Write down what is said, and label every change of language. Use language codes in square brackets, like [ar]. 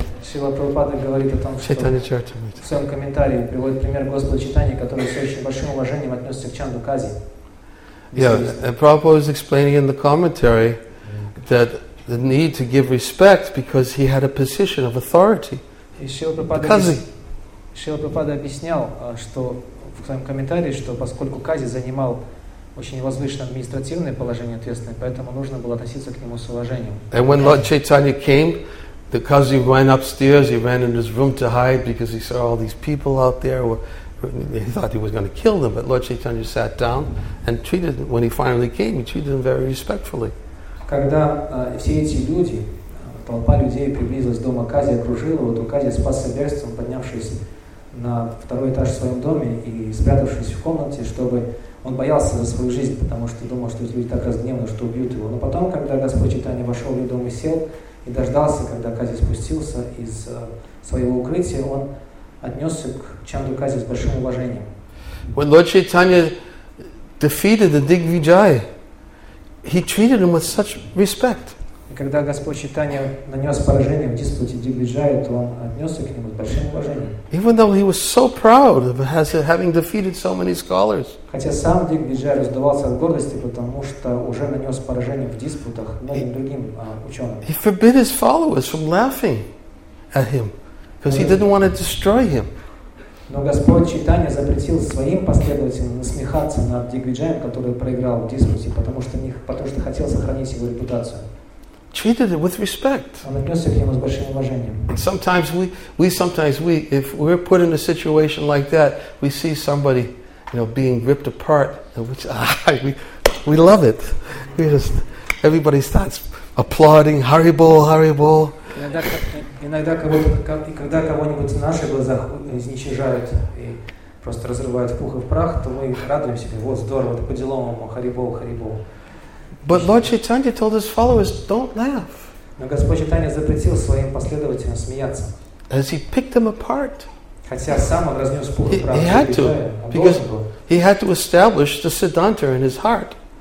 [ru] Шрила Прабхупада говорит о том, что в своем комментарии приводит пример Господа Читания, который с очень большим уважением отнесся к Чанду Кази. [en] Yeah, and Prabhupada was explaining in the commentary that the need to give respect because he had a position of authority. [ru] Шрила Прабхупада объяснял, что в своем комментарии, что поскольку Кази занимал очень возвышенное административное положение ответственное, поэтому нужно было относиться к нему с уважением. [en] And when Lord Chaitanya came, the Kazi ran upstairs, he ran in his room to hide because he saw all these people out there who were, he thought he was going to kill them, but Lord Chaitanya sat down and treated them. When he finally came, he treated them very respectfully. [ru] Когда все эти люди, толпа людей приблизилась к дому Кази, окружила его, то Кази спасся бегством, поднявшись на второй этаж в своем доме и спрятавшись в комнате, чтобы он боялся за свою жизнь, потому что думал, что люди так разгневны, что убьют его. Но потом, когда Господь Чайтанья вошел в его дом и сел и дождался, когда Кази спустился из своего укрытия, он отнесся к Чанду Кази с большим уважением. [en] When Lord Chaitanya defeated the Digvijaya, he treated him with such respect. [ru] И когда Господь Чайтанья нанес поражение в диспуте Дигвиджая, то он отнесся к нему с большим уважением. [en] Even though he was so proud of having defeated so many scholars. [ru] Хотя сам Дигвиджай раздувался от гордости, потому что уже нанес поражение в диспутах многим другим ученым. [en] He forbid his followers from laughing at him. Because he didn't want to destroy him. [ru] Но Господь Чайтанья запретил своим последователям насмехаться над Дигвиджаем, который проиграл в диспуте, потому что хотел сохранить его репутацию. [en] Treated it with respect. [ru] Он отнесся к нему с большим уважением. [en] Sometimes we, if we're put in a situation like that, we see somebody, you know, being ripped apart, and we love it. We just, everybody starts applauding, Haribol. [ru] Иногда когда кого-нибудь в наших глазах изничижают и просто разрывают в пух и в прах, то мы радуемся, вот здорово, это по-деловому, Харибол. [en] But Lord Chaitanya told his followers, don't laugh. [ru] Но Господь Чайтанья запретил своим последователям смеяться. [en] As he picked them apart. He had to, because he had to establish the Siddhanta in his heart.